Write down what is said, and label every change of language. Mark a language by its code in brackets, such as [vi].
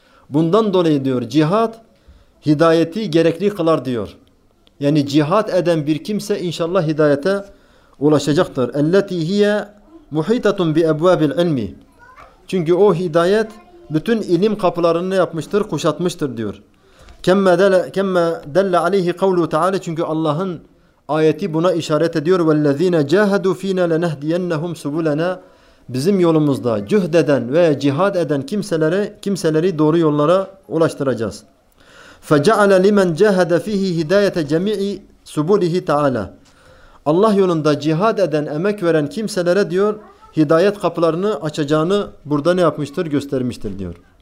[tr] Bundan dolayı diyor cihat hidayeti gerekli kılar diyor. Yani cihat eden bir kimse inşallah hidayete ulaşacaktır. [ar] اَلَّتِي هِيَ مُحِيطَةٌ بِأَبْوَابِ الْعِلْمِ. [tr] Çünkü o hidayet bütün ilim kapılarını ne yapmıştır? Kuşatmıştır diyor. [ar] كَمَّ دَلَّ عَلَيْهِ قَوْلُهُ تَعَالَى. [tr] Çünkü Allah'ın ayeti buna işaret ediyor. [ar] وَالَّذ۪ينَ جَاهَدُوا ف۪ينَ لَنَهْدِيَنَّهُمْ سُبُلَنَا [tr] Bizim yolumuzda cühdeden veya cihad eden kimseleri doğru yollara ulaştıracağız. [ar] فَجَعَلَ لِمَنْ جَاهَدَ ف۪يهِ هِدَايَةَ جَمِعِ سُبُولِهِ تَعَالَى [tr] Allah yolunda cihad eden, emek veren kimselere diyor, hidayet kapılarını açacağını burada ne yapmıştır, göstermiştir diyor.